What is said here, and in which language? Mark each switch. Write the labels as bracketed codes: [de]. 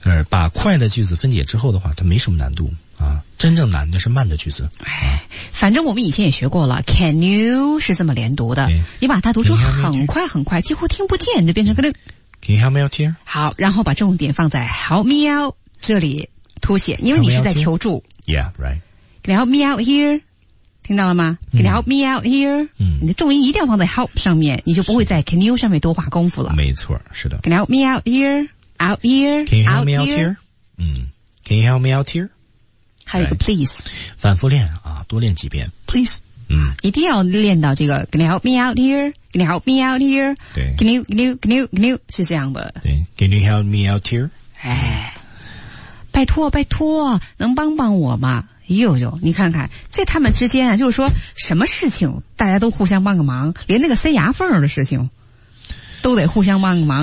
[zh] 把快的句子分解之后的话，它没什么难度。啊，真正难的是慢的句子。哎，反正我们以前也学过了 ， [en] Can you [zh] 是这么连读的？你把它读出很快很快，几乎听不见，就变成跟着。 [en] Can you help me out here？ [zh] 好，然后把重点放在 [en] Help me out [zh] 这里凸显，因为你是在求助。 [en] Yeah, right. Can you help me out here？ [zh] 听到了吗 [en] ？Can you help me out here？ [zh] 嗯，你的重音一定要放在 help 上面，你就不会在 Can you 上面多花功夫了。没错，是的。 [en] Can you help me out here？ Out here？ Can you help me out here？ 嗯 ，Can you help me out here？ [zh] 还有一个 please，反复练啊，多练几遍 [en] please， [zh] 嗯，一定要练到这个 [en] can you help me out here， can you help me out here， [zh] 对 [en] can you [zh] 是这样的， [en] 对 can you help me out here， [zh] 哎，拜托拜托，能帮帮我吗？呦呦，你看看这他们之间啊，就是说什么事情大家都互相帮个忙，连那个塞牙缝的事情都得互相帮个忙。